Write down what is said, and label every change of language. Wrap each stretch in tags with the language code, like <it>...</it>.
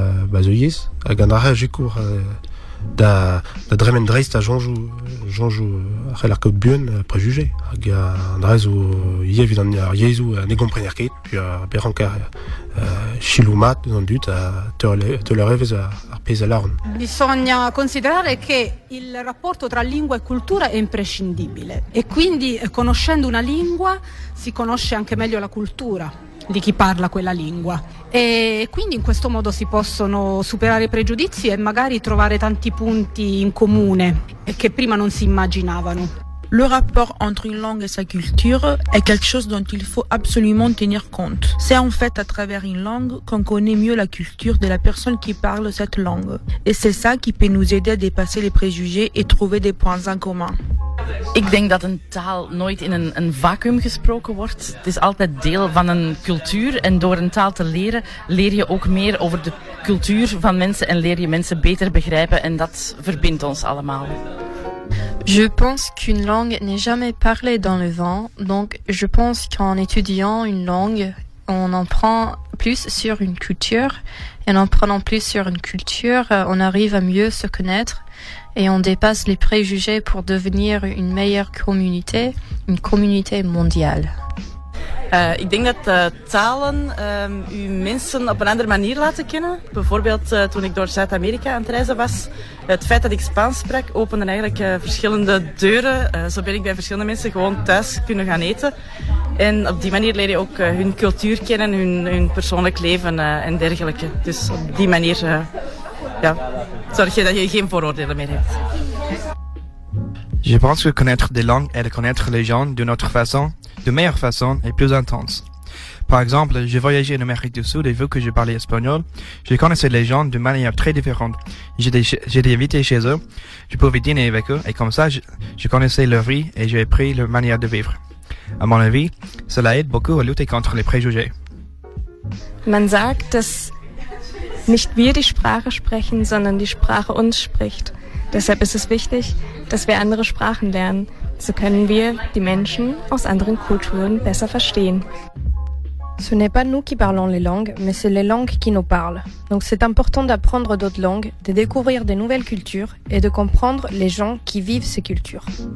<it>Bazuyis, à Gandara, j'ai cours de Dremen Dreist à Jean-Jou, après la Côte Bion, préjugé. À Gandrez ou Yévi dans Yézou, à Négon Prenerkit, puis à Berankar, Chiloumat, dans Dut, à Tolerevez, à Pézalarn. Bisogna</it> <fr>considérer que</fr> <it>il rapporto tra lingua e cultura è imprescindibile. E quindi, conoscendo una lingua, si conosce anche meglio la cultura di chi parla quella lingua. E quindi in questo modo si possono superare i pregiudizi e magari trovare tanti punti in comune che prima non si immaginavano.</it> <fr>Le rapport entre une langue et sa culture est quelque chose dont il faut absolument tenir compte. C'est en fait à travers une langue qu'on connaît mieux la culture de la personne qui parle cette langue. Et c'est ça qui peut nous aider à dépasser les préjugés et trouver des points en commun.</fr> <nl>Ik denk dat een taal nooit in een vacuüm gesproken wordt. Het is altijd deel van een cultuur en door een taal te leren, leer je ook meer over de cultuur van mensen en leer je mensen beter begrijpen en dat verbindt ons allemaal.</nl> <fr>Je pense qu'une langue n'est jamais parlée dans le vent, donc je pense qu'en étudiant une langue, on en prend plus sur une culture, et en prenant plus sur une culture, on arrive à mieux se connaître, et on dépasse les préjugés pour devenir une meilleure communauté, une communauté mondiale.</fr> <nl>Ik denk dat talen u mensen op een andere manier laten kennen. Bijvoorbeeld toen ik door Zuid-Amerika aan het reizen was. Het feit dat ik Spaans sprak opende eigenlijk verschillende deuren. Zo ben ik bij verschillende mensen gewoon thuis kunnen gaan eten. En op die manier leer je ook hun cultuur kennen, hun persoonlijk leven en dergelijke. Dus op die manier zorg je dat je geen vooroordelen meer hebt.</nl> <fr>Je pense que connaître des langues et de connaître les gens d'une autre façon, de meilleure façon et plus intense. Par exemple, j'ai voyagé en Amérique du Sud et vu que je parlais espagnol, je connaissais les gens d'une manière très différente. J'étais invité chez eux, je pouvais dîner avec eux et comme ça, je connaissais leur vie et j'ai appris leur manière de vivre. À mon avis, cela aide beaucoup à lutter contre les préjugés.</fr> <de>Man sagt, dass nicht wir die Sprache sprechen, sondern die Sprache uns spricht. Deshalb ist es wichtig, dass wir andere Sprachen lernen. So können wir die Menschen aus anderen Kulturen besser verstehen.</de> <fr>Ce n'est pas nous qui parlons les langues, mais c'est les langues qui nous parlent. Donc c'est important d'apprendre d'autres langues, de découvrir des nouvelles cultures et de comprendre les gens qui vivent ces cultures.</fr>